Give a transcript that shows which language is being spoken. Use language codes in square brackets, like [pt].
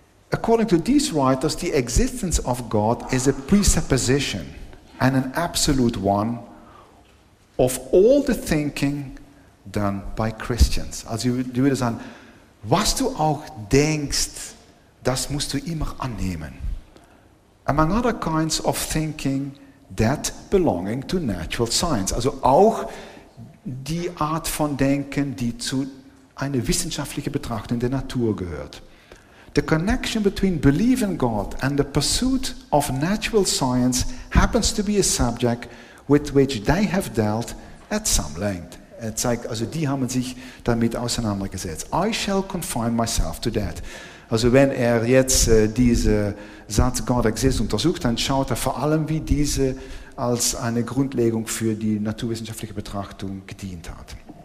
[en] According to these writers, the existence of God is a presupposition and an absolute one of all the thinking done by Christians. [de] Also die würde sagen, was du auch denkst, das musst du immer annehmen. [en] Among other kinds of thinking that belonging to natural science. [de] Also auch die Art von Denken, die zu einer wissenschaftlichen Betrachtung der Natur gehört. [en] The connection between belief in God and the pursuit of natural science happens to be a subject with which they have dealt at some length. [de] Er zeigt, also die haben sich damit auseinandergesetzt. [en] I shall confine myself to that. [de] Also wenn er jetzt diese Satz [en] God exists [de] untersucht, dann schaut er vor allem, wie diese als eine Grundlegung für die naturwissenschaftliche Betrachtung gedient hat.